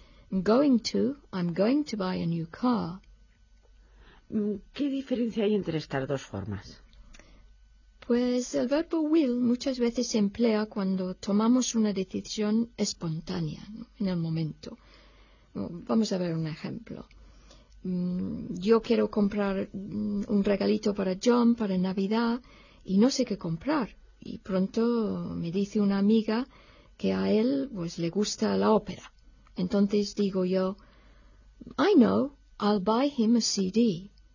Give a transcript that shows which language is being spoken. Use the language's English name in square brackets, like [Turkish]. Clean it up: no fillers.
[English] Going to, I'm going to buy a new car. [Spanish] ¿Qué diferencia hay entre estas dos formas? Pues el verbo will muchas veces se emplea cuando tomamos una decisión espontánea, ¿no? En el momento. Vamos a ver un ejemplo. Yo quiero comprar un regalito para John para Navidad y no sé qué comprar. Y pronto me dice una amiga que a él pues le gusta la ópera. Entonces digo yo, [English] I know, I'll buy him a CD.